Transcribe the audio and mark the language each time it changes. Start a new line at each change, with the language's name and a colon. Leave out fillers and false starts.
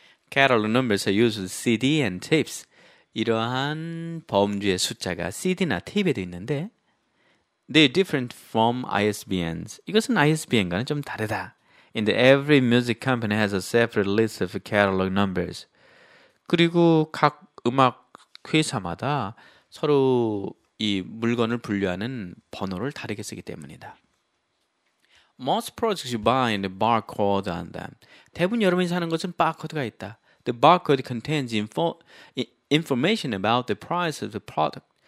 English: Catalog numbers are used CD and tapes.
Korean: 이러한 범주의 숫자가 CD나 테이프에도 있는데
English: They're different from ISBNs.
Korean: 이것은 ISBN과는 좀 다르다.
English: And every music company has a separate list of catalog numbers.
Korean: 그리고 각 음악 회사마다 서로 이 물건을 분류하는 번호를 다르게 쓰기 때문이다.
English: Most products you buy in the barcode on them.
Korean: 대부분 여러분이 사는 것은 바코드가 있다.
English: The barcode contains information about the price of the product.